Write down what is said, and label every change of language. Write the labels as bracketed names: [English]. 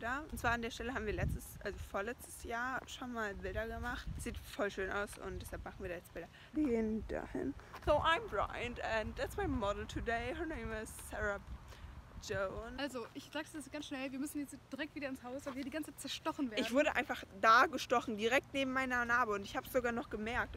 [German] Und zwar an der Stelle haben wir vorletztes Jahr schon mal Bilder gemacht. Sieht voll schön aus und deshalb machen wir da jetzt Bilder. Wir gehen dahin. [English] So, I'm Brian and that's my model today. Her name is Sarah Joan. [German] Also, ich sag's jetzt ganz schnell, wir müssen jetzt direkt wieder ins Haus, weil wir die ganze Zeit zerstochen werden. Ich wurde einfach da gestochen, direkt neben meiner Narbe und ich hab's sogar noch gemerkt.